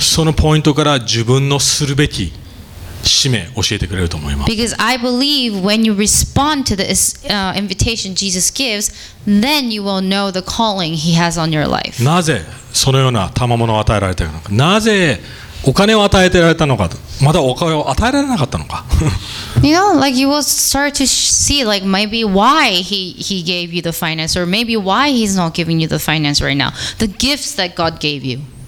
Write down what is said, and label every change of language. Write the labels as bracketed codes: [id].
[ja] そのポイントから自分のするべき使命を教えてくれると思います。 [en] Because I believe when you respond to this invitation Jesus gives, then you will know the calling He has on your life. [ja] なぜそのような賜物を与えられたのか。なぜお金を与えてられたのか。まだお金を与えられなかったのか。 [en] You know, like you will start to see, like maybe why he gave you the finance, or maybe why he's not giving you the finance right now. The gifts that God gave you.